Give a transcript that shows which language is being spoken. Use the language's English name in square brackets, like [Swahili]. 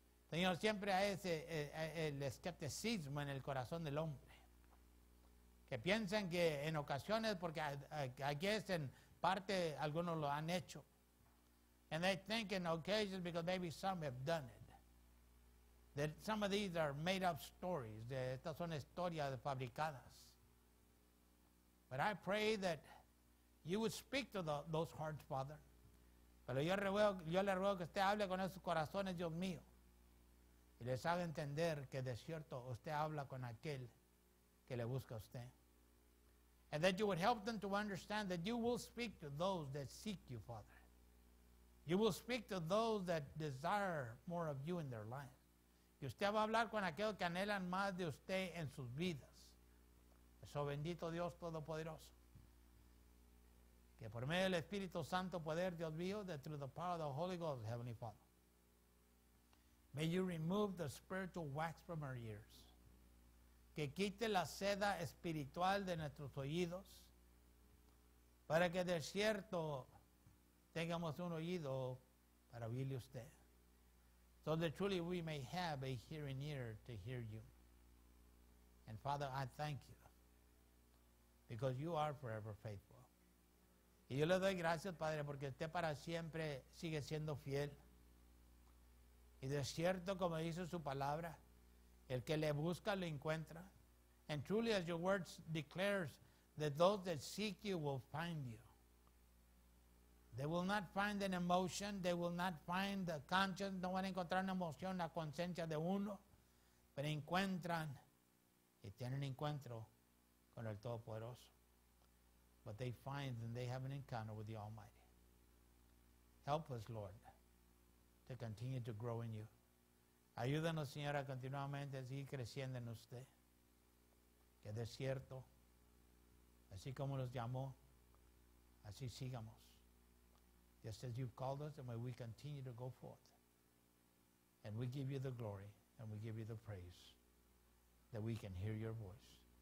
[Spanish] Señor, siempre hay ese el escepticismo en el corazón del hombre. Que piensan que en ocasiones, porque aquí es en parte, algunos lo han hecho. [English] And they think in occasions, because maybe some have done it. That some of these are made up stories. That [Spanish] estas son historias fabricadas. [English] But I pray that you would speak to those hearts, Father. [Spanish] Pero yo le ruego que usted hable con esos corazones, Dios mío. Y les haga entender que de cierto usted habla con aquel que le busca a usted. [English] And that you would help them to understand that you will speak to those that seek you, Father. You will speak to those that desire more of you in their lives. [Spanish] Que usted va a hablar con aquel que anhelan más de usted en sus vidas. Eso bendito Dios Todopoderoso. Que por medio del Espíritu Santo poder, Dios mío, [English] that through the power of the Holy Ghost, Heavenly Father. May you remove the spiritual wax from our ears. [Spanish] Que quite la seda espiritual de nuestros oídos. Para que de cierto tengamos un oído para oírle usted. [English] So that truly we may have a hearing ear to hear you. And Father, I thank you. Because you are forever faithful. [Spanish] Y yo le doy gracias, Padre, porque usted para siempre sigue siendo fiel. Y de cierto, como dice su palabra, el que le busca, le encuentra. [English] And truly, as your word declares, that those that seek you will find you. They will not find an emotion. They will not find the conscience. [Spanish] No van a encontrar una emoción, una conciencia de uno. Pero encuentran y tienen encuentro con el Todopoderoso. [English] But they find and they have an encounter with the Almighty. Help us, Lord, to continue to grow in you. [Spanish] Ayúdanos, Señora, continuamente a seguir creciendo en usted. Que de cierto, así como los llamó, así sigamos. [English] Just as you've called us, and may we continue to go forth. And we give you the glory, and we give you the praise, that we can hear your voice.